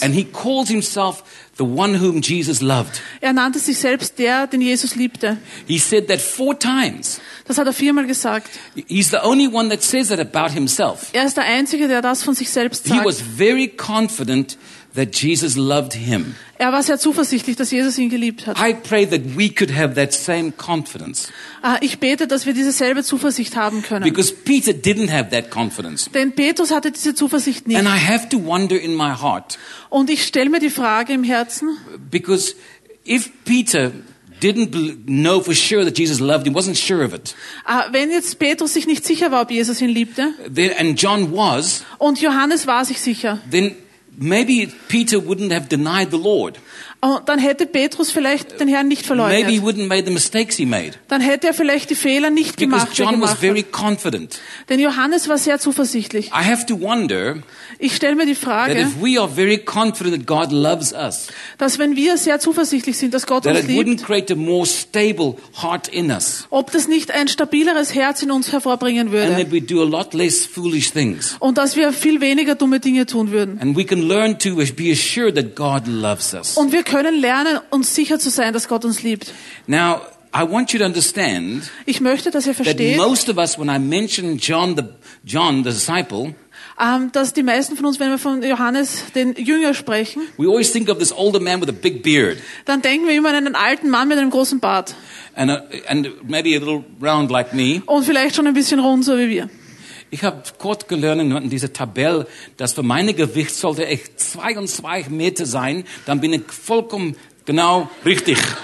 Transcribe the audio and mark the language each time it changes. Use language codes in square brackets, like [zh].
[en] And he calls himself the one whom Jesus loved. [de] Er nannte sich selbst der, den Jesus liebte. [en] He said that 4 times. [de] Das hat er viermal gesagt. [en] He's the only one that says that about himself. [de] Er ist der Einzige, der das von sich selbst sagt. [en] He was very confident that Jesus loved him. [de] Er war sehr zuversichtlich, dass Jesus ihn geliebt hat. [en] I pray that we could have that same confidence. [de] Ich bete, dass wir dieselbe Zuversicht haben können. [en] Because Peter didn't have that confidence. [de] Denn Petrus hatte diese Zuversicht nicht. [en] And I have to wonder in my heart. [de] Und ich stelle mir die Frage im Herzen. [en] Because if Peter didn't know for sure that Jesus loved him, wasn't sure of it. [de] Wenn jetzt Petrus sich nicht sicher war, ob Jesus ihn liebte. [en] Then, and John was. [de] Und Johannes war sich sicher. [en] Then maybe Peter wouldn't have denied the Lord. [de] Und dann hätte Petrus vielleicht den Herrn nicht verleugnet. [en] Maybe he wouldn't made the mistakes he made. [de] Dann hätte er vielleicht die Fehler nicht [en] because [de] gemacht. [en] John was very confident. [de] Denn Johannes war sehr zuversichtlich. [en] I have to wonder. [de] Ich stelle mir die Frage, [en] that if we are very confident that God loves us, [de] dass wenn wir sehr zuversichtlich sind, dass Gott [en] that [de] uns liebt, [en] wouldn't create a more stable heart in us. [de] Ob das nicht ein stabileres Herz in uns hervorbringen würde. [en] And we do a lot less foolish things. [de] Und dass wir viel weniger dumme Dinge tun würden. [en] And we can learn to be assured that God loves us. [de] Und wir können lernen, uns sicher zu sein, dass Gott uns liebt. [en] Now, I want you to understand, [de] ich möchte, dass ihr versteht, [en] that most of us, when I mention John the disciple, [de] dass die meisten von uns, wenn wir von Johannes den Jünger sprechen, [en] we always think of this older man with a big beard. [de] Dann denken wir immer an einen alten Mann mit einem großen Bart. [en] And maybe a little round like me. [de] Und vielleicht schon ein bisschen rund, so wie wir. Ich habe kurz gelernt in dieser Tabelle, dass für meine Gewicht sollte ich 22 Meter sein, dann bin ich vollkommen genau richtig.